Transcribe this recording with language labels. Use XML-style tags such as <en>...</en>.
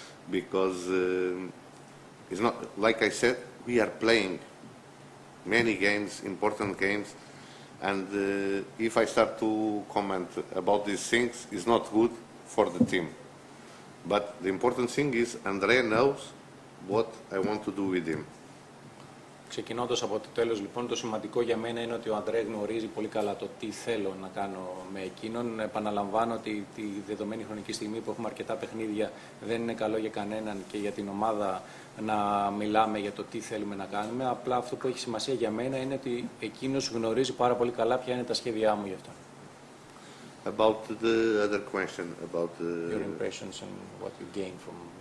<en>Because it's not like I said, we are playing many games, important games, and if I start to comment about these things, it's not good for the team. But the important thing is Andrea knows what I want to do with him.</en> <el>Ξεκινώντας από το τέλος, λοιπόν, το σημαντικό για μένα είναι ότι ο Ανδρέα γνωρίζει πολύ καλά το τι θέλω να κάνω με εκείνον. Επαναλαμβάνω ότι τη δεδομένη χρονική στιγμή που έχουμε αρκετά παιχνίδια δεν είναι καλό για κανέναν και για την ομάδα να μιλάμε για το τι θέλουμε να κάνουμε. Απλά αυτό που έχει σημασία για μένα είναι ότι εκείνος γνωρίζει πάρα πολύ καλά ποια είναι τα σχέδιά μου γι' αυτό.</el> <en>About the other question, about your impressions and what you gained from</en>